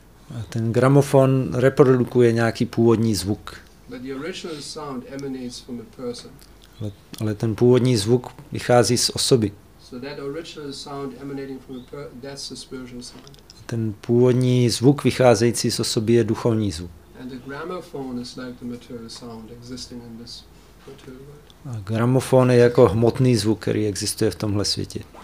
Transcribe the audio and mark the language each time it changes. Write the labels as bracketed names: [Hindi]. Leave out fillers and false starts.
[Czech] A ten gramofon reprodukuje nějaký původní zvuk. [English] But the original sound emanates from a person. [Czech] Ale ten původní zvuk vychází z osoby. [English] So that original sound emanating from a person, that's the spiritual sound. [Czech] A ten původní zvuk vycházející z osoby je duchovní zvuk. [English] And the gramophone is like the material sound existing in this material world. [Czech] A gramofon je jako hmotný zvuk, který existuje v tomhle světě.